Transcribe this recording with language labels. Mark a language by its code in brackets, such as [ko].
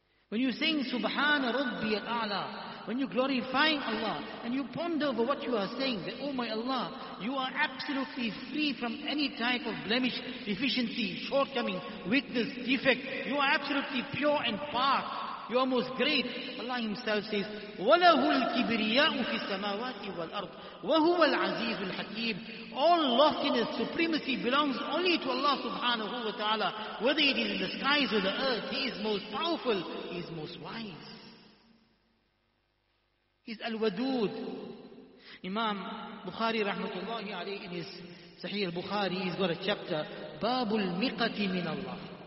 [en] When you sing Subhana Rabbi al-A'la, when you glorify Allah and you ponder over what you are saying, that, oh my Allah, you are absolutely free from any type of blemish, deficiency, shortcoming, weakness, defect. You are absolutely pure and pure. You are most great. Allah Himself says, [ar] وَلَهُ الْكِبْرِيَاءُ فِي السَّمَاوَاتِ وَالْأَرْضِ وَهُوَ الْعَزِيزُ الْحَكِيمُ. [en] All loftiness, supremacy belongs only to Allah subhanahu wa ta'ala. Whether it is in the skies or the earth, He is most powerful, He is most wise. He is Al-Wadud. Imam Bukhari rahmatullahi alayhi in his Sahih Bukhari, he's got a chapter, [ar] بَابُ الْمِقَةِ مِنَ اللَّهِ.